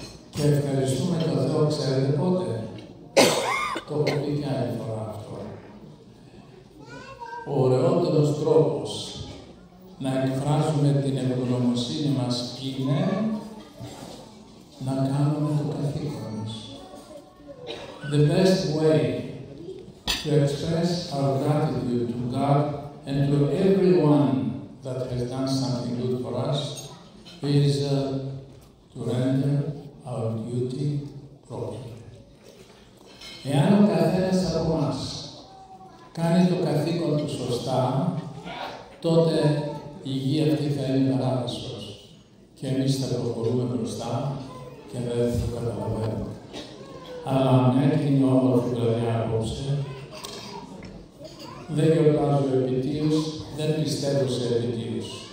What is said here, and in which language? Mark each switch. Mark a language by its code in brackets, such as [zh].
[el] Και ευχαριστούμε τον Θεό, ξέρετε πότε. Το έχω πει και άλλη φορά αυτό. Ο ωραιότερος τρόπος να εκφράζουμε την ευγνωμοσύνη μας είναι να κάνουμε το καθήκον μας. [en] The best way to express our gratitude to God and to everyone that has done something good for us is to render our duty properly. [el] Εάν ο καθένας από μας κάνει το καθήκον του σωστά, τότε η γη αυτή θα είναι παράδεισος και εμείς θα προχωρούμε μπροστά και δεν θα καταλαβαίνουμε. Αλλά αν έρχεται όμορφη βραδιά απόψε, δεν γιορτάζω επιτίως, δεν πιστεύω σε επιτίως.